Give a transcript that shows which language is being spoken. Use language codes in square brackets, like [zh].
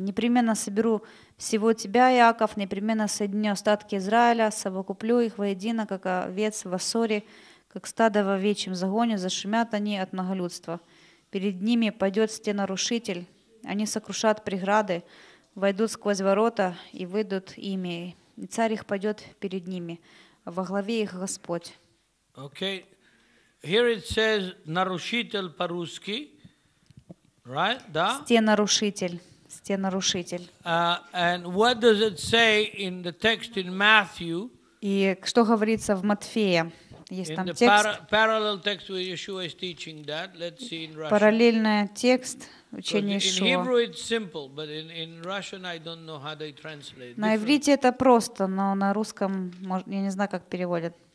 [ru] «Непременно соберу всего тебя, Иаков, непременно соединю остатки Израиля, совокуплю их воедино, как овец в оссоре, как стадо в овечьем загоне, зашумят они от многолюдства. Перед ними пойдет стенорушитель. Они сокрушат преграды, войдут сквозь ворота и выйдут ими. И царь их пойдет перед ними. Во главе их Господь. [en] Okay. Here it says [ru] нарушитель по-русски. [en] Right? [ru] Да? Стенорушитель. Стенорушитель. [en] And what does it say in the text in Matthew? [ru] И что говорится в Матфея? Есть там текст. [en] Parallel text where Yeshua is teaching that. Let's see in Russian. [ru] Параллельный текст учения Иешуа. [en] In Hebrew it's simple, but in Russian I don't know how they translate. [ru] На иврите это просто, но на русском я не знаю, как переводят.